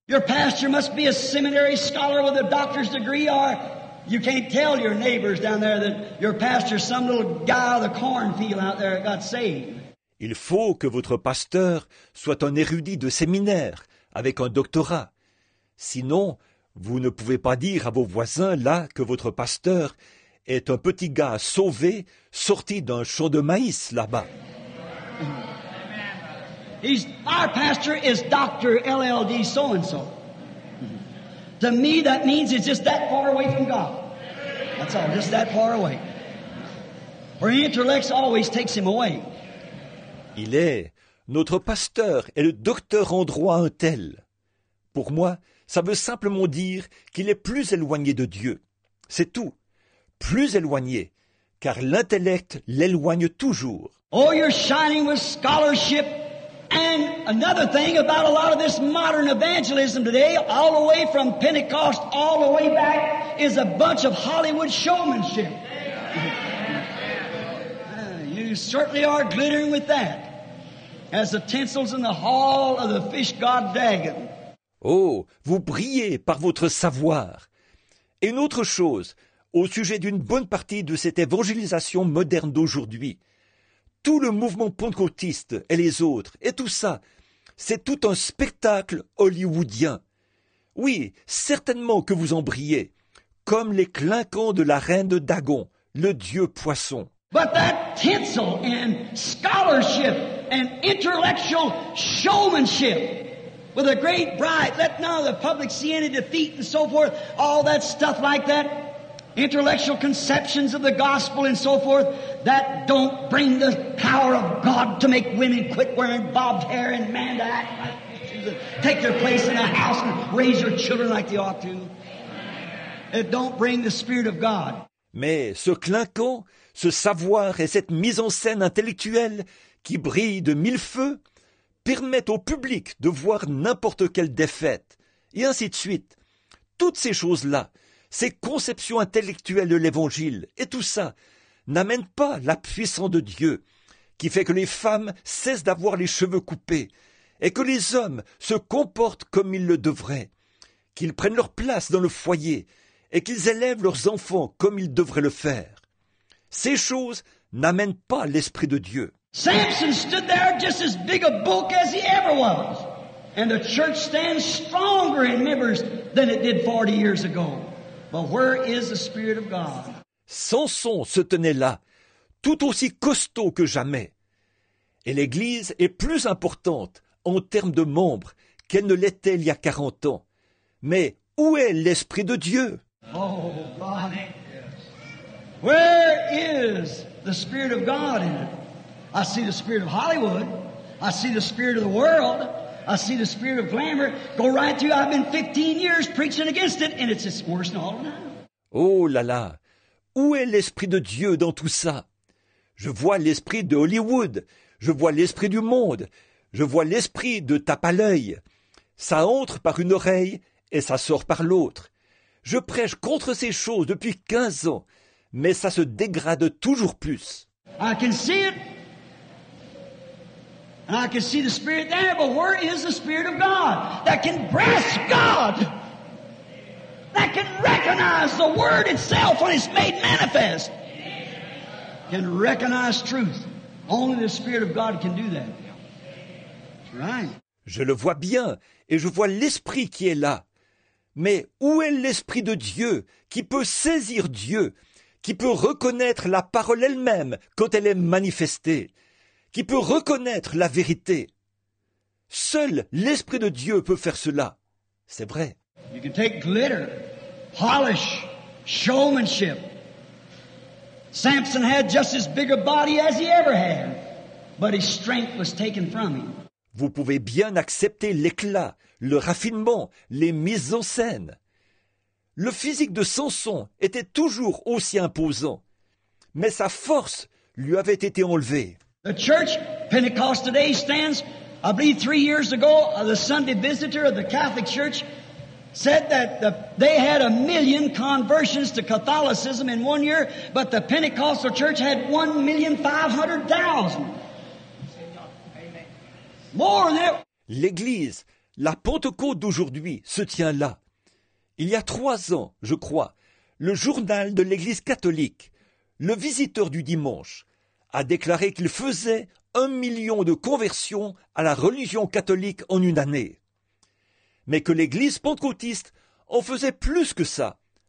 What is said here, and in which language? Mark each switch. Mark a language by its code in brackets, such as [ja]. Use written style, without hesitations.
[en] Your pastor must be a seminary scholar with a doctor's degree, or you can't tell your neighbors down there that your pastor's some little guy out of the cornfield out there that got saved. [fr] Il faut que votre pasteur soit un érudit de séminaire avec un doctorat. Sinon, vous ne pouvez pas dire à vos voisins là que votre pasteur est un petit gars sauvé, sorti d'un champ de maïs là-bas. [en] Our pastor is Dr. LLD so-and-so. To me, that means it's just that far away from God. That's all, just that far away. Where he intellects always takes him away. [fr] Il est notre pasteur et le docteur en droit un tel. Pour moi, ça veut simplement dire qu'il est plus éloigné de Dieu. C'est tout. Plus éloigné, car l'intellect l'éloigne toujours. [en] Oh, you're shining with scholarship. And another thing about a lot of this modern evangelism today, all the way from Pentecost all the way back, is a bunch of Hollywood showmanship. You certainly are glittering with that, as the tinsels in the hall of the fish god Dagon. [fr] Oh, vous brillez par votre savoir. Et une autre chose, au sujet d'une bonne partie de cette évangélisation moderne d'aujourd'hui. Tout le mouvement pentecôtiste et les autres, et tout ça, c'est tout un spectacle hollywoodien. Oui, certainement que vous en brillez, comme les clinquants de la reine de Dagon, le dieu poisson. [en] But that tinsel and scholarship and intellectual showmanship with a great bride, let now the public see any defeat and so forth, all that stuff like that. Intellectual conceptions of the gospel and so forth, that don't bring the power of God to make women quit wearing bobbed hair and man to act like to take their place in the house and raise your children like they ought to. It don't bring the Spirit of God. [fr] Mais ce clinquant, ce savoir et cette mise en scène intellectuelle qui brille de mille feux permettent au public de voir n'importe quelle défaite, et ainsi de suite. Toutes ces choses-là, ces conceptions intellectuelles de l'Évangile et tout ça n'amènent pas la puissance de Dieu qui fait que les femmes cessent d'avoir les cheveux coupés et que les hommes se comportent comme ils le devraient, qu'ils prennent leur place dans le foyer et qu'ils élèvent leurs enfants comme ils devraient le faire. Ces choses n'amènent pas l'Esprit de Dieu. [en] Samson stood there just as big a bulk as he ever was, and the church stands stronger in members than it did 40 years ago. But where is the Spirit of God? [fr] Samson se tenait là, tout aussi costaud que jamais. Et l'Église est plus importante en termes de membres qu'elle ne l'était il y a 40 ans. Mais où est l'Esprit de Dieu? [en] Oh, God. Where is the Spirit of God in it? I see the Spirit of Hollywood. I see the Spirit of the world. I see the spirit of glamour go right through. I've been 15 years preaching against it, and it's just worse than all now. [fr] Oh là là, où est l'Esprit de Dieu dans tout ça? Je vois l'Esprit de Hollywood, je vois l'Esprit du monde, je vois l'Esprit de tape à l'œil. Ça entre par une oreille et ça sort par l'autre. Je prêche contre ces choses depuis 15 ans, mais ça se dégrade toujours plus. [en] I can see it. And I can see the Spirit there, but where is the Spirit of God that can grasp God, that can recognize the Word itself when it's made manifest, can recognize truth? Only the Spirit of God can do that. Right. [fr] Je le vois bien, et je vois l'Esprit qui est là. Mais où est l'Esprit de Dieu qui peut saisir Dieu, qui peut reconnaître la parole elle-même quand elle est manifestée, qui peut reconnaître la vérité? Seul l'Esprit de Dieu peut faire cela. C'est vrai. [en] You can take glitter, polish, showmanship. Samson had just as big a body as he ever had, but his strength was taken from him. [fr] Vous pouvez bien accepter l'éclat, le raffinement, les mises en scène. Le physique de Samson était toujours aussi imposant, mais sa force lui avait été enlevée. [en] The church, Pentecost today, stands, I believe 3 years ago, the Sunday visitor of the Catholic Church said that they had 1 million conversions to Catholicism in 1 year, but the Pentecostal church had 1,500,000. More than that. [fr] L'Église, la Pentecôte d'aujourd'hui, se tient là. Il y a 3 ans, je crois, le journal de l'Église catholique, le visiteur du dimanche, a déclaré qu'il faisait 1 million de conversions à la religion catholique en une année. Mais que l'Église pentecôtiste en faisait plus que ça,